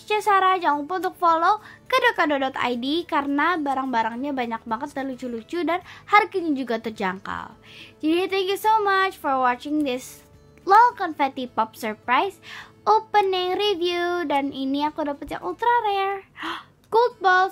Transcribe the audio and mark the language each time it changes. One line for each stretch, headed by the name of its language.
Indonesian: Cesara, jangan lupa untuk follow kedokado.id karena barang-barangnya banyak banget dan lucu-lucu dan harganya juga terjangkau. Jadi
English: thank you so much for watching this lol confetti pop surprise opening review.
Indonesian: Dan ini aku dapet yang ultra rare gold ball.